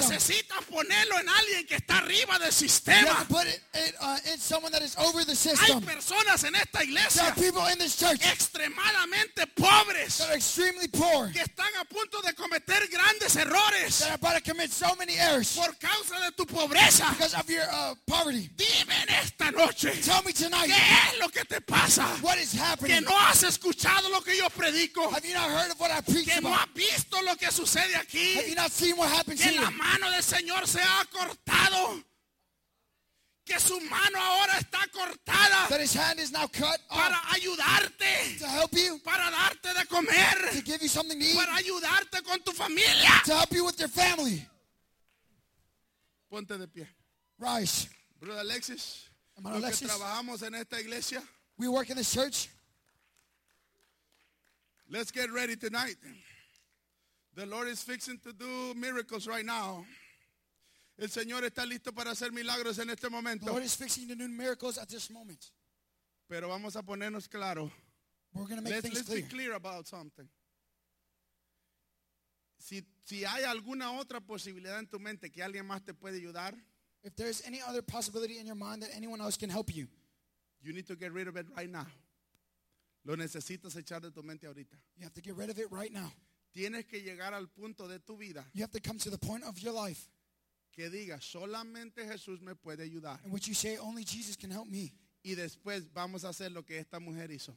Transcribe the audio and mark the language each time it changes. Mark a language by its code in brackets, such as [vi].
[es] Necesitas ponerlo en alguien que está arriba del sistema. [en] You have to put it in someone that is over the system. [es] Hay personas en esta iglesia. [en] There are people in this church. [es] Extremadamente pobres. [en] That are extremely poor. [es] Que están a punto de cometer grandes errores. [en] That are about to commit so many errors. [es] Por causa de tu pobreza. [en] Because of your poverty. [es] Dime en esta noche. [en] Tell me tonight. [es] ¿Qué es lo que te pasa? [en] What is happening? [es] Que no has escuchado lo que yo predico. [en] Have you not heard of what I preach [es] que [en] about. [es] No has visto lo que sucede aquí. [en] Have you not seen what happens [es] que [en] here? [es] La mano del Señor se ha cortado. Que su mano ahora está cortada. [en] That his hand is now cut [es] para ayudarte. [en] To help you. [es] Para darte de comer. [en] To give you something to eat. [es] Para ayudarte con tu familia. [en] To help you with your family. [es] Ponte de pie. [en] Rise. Brother Alexis. [es] Hermano Alexis. Que trabajamos en esta iglesia. [en] We work in this church. Let's get ready tonight. The Lord is fixing to do miracles right now. [es] El Señor está listo para hacer milagros en este momento. [en] The Lord is fixing to do miracles at this moment. [es] Pero vamos a ponernos claro. [en] We're going to make things let's clear. Let's be clear about something. [es] Si hay alguna otra posibilidad en tu mente que alguien más te puede ayudar. [en] If there is any other possibility in your mind that anyone else can help you. You need to get rid of it right now. [es] Lo necesitas echar de tu mente ahorita. [en] You have to get rid of it right now. [es] Tienes que llegar al punto de tu vida. [en] You have to come to the point of your life. [es] Que diga, solamente Jesús me puede ayudar. [en] And what you say, only Jesus can help me. [es] Y después vamos a hacer lo que esta mujer hizo.